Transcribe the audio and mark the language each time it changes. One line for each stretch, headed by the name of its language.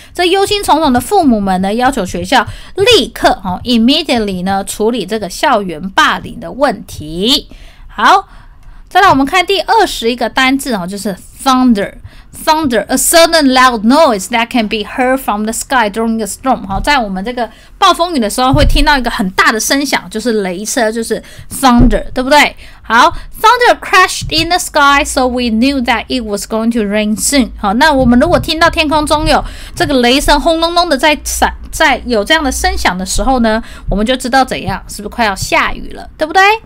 Chinese: 这忧心忡忡的父母们呢，要求学校立刻、immediately 呢处理这个校园霸凌的问题。好，再来我们看第二十一个单字、就是 thunder。
English: Thunder, a sudden loud noise that can be heard from the sky during a storm.
Chinese: 在我们这个暴风雨的时候会听到一个很大的声响，就是雷车，就是 thunder, 对不对？
English: 好， thunder crashed in the sky, so we knew that it was going to rain soon.
Chinese: 好，那我们如果听到天空中有这个雷声轰隆隆的在闪，在有这样的声响的时候呢，我们就知道怎样，是不是快要下雨了，对不对？